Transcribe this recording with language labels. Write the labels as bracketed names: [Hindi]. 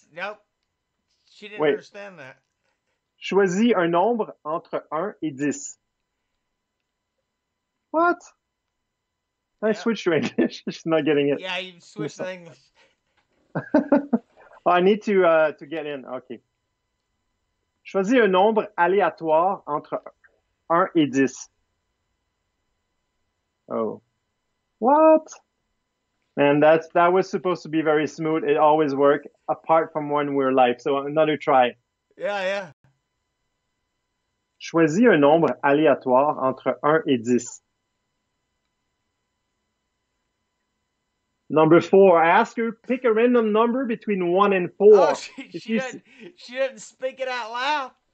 [English] Nope. She didn't understand that. [French] Choisis un nombre entre 1 et 10. [English] What? Yep. I switched to English. She's not getting it. Yeah, you switched to English. Well, I need to get in. Okay. [French] Choisis un nombre aléatoire entre 1 et 10. [English] Oh, what? And that was supposed to be very smooth. It always worked, apart from when we're live. So another try. Yeah, yeah. [French] Choisis un nombre aléatoire entre 1 et 10. [English] Number 4. I asked her, pick a random number between 1 and 4. Oh, she didn't speak it out loud.